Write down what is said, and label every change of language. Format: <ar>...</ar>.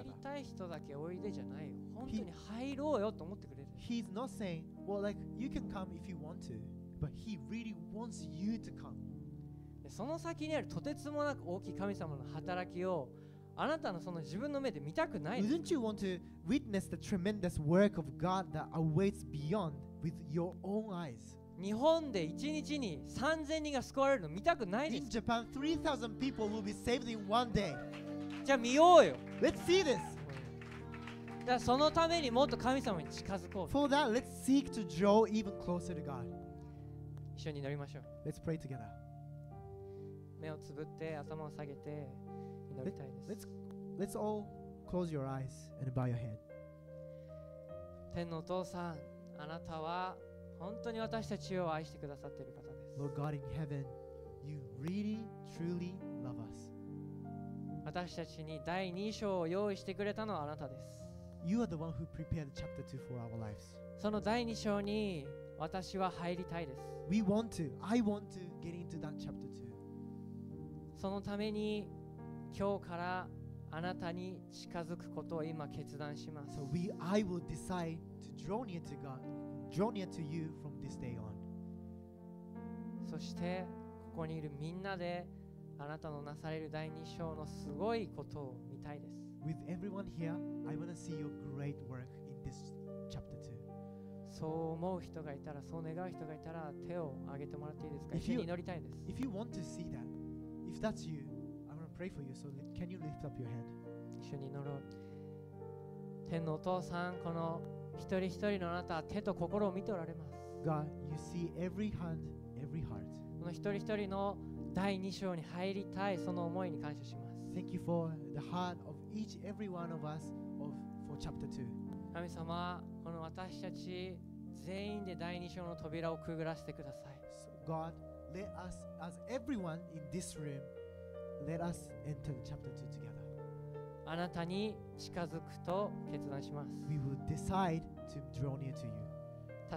<ja>入りたい人だけおいでじゃない。本当に入ろうよと思ってくれる。</ja> <en>He's not saying, well, like, you can come if you want to, but he really wants you to come.</en> <ja>その先にあるとてつもなく大きい神様の働きをあなたのその自分の目で見たくない。</ja> <en>Wouldn't you want to witness the tremendous work of God that awaits beyond with your own eyes?</en> <ja>日本で1日に3000人が救われるの見たくないです。</ja> <en>In Japan, 3,000 people will be saved in one day.</en> <ja>じゃあ見ようよ。</ja> <en>Let's see this.</en> <ja>だそのためにもっと神様に近づこう。</ja> <en>For that, let's seek to draw even closer to God.</en> <ja>一緒に祈りましょう。</ja> <en>Let's pray together.</en> <ja>目をつぶって頭を下げて祈りたいです。</ja> <en>Let's all close your eyes and bow your head.</en> <ja>天のお父さん、あなたは本当に私たちを愛してくださっている方です。</ja> <en>Lord God in heaven, you really, truly love us.</en> <ja>私たちに第2章を用意してくれたのはあなたです。</ja> <en>You are the one who prepared chapter 2 for our lives.</en> <ja>その第2章に私は入りたいです。</ja> <en>We want to. I want to get into that chapter</en> <ja>2. そのために今日からあなたに近づくことを今決断します。</ja> <en>So I will decide to draw near to God. Draw near to you from this day on.</en> <ja>そしてここにいるみんなであなたのなされる第二章のすごいことを見たいです。</ja> <en>With everyone here, I want to see your great work in this chapter 2.</en> <ja>そう思う人がいたら、そう願う人がいたら手を挙げてもらっていいですか？一緒に祈りたいです。</ja> <en>If you want to see that, if that's you, I want to pray for you. So can you lift up your hand?</en> <ja>一緒に祈ろう。天のお父さん、この一人一人のあなたは手と心を見ておられます。</ja> <en>God, you see every hand, every heart.</en> <ja>この一人一人の第二章に入りたい、その思いに感謝します。</ja> <en>Thank you for the heart of each every one of us for chapter 2.</en> <ja>神様、この私たち全員で第二章の扉をくぐらせてください。</ja> <en>So God, let us, as everyone in this room, let us enter chapter 2 together.</en> <ja>あなたに近づくと決断します。</ja> <en>We will decide to draw near to you.</en>